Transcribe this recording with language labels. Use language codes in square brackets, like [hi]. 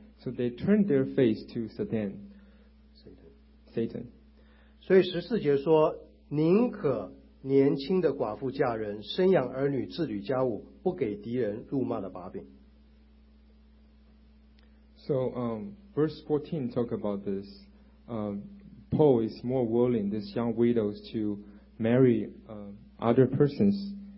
[en] So they turned their face to Satan. Satan. [zh] 所以14节说, 宁可年轻的寡妇嫁人, 生养儿女, 自履家务, 不给敌人辱骂的把柄。 [en] So verse 14 talk about this. Paul is more willing these young widows to marry other persons.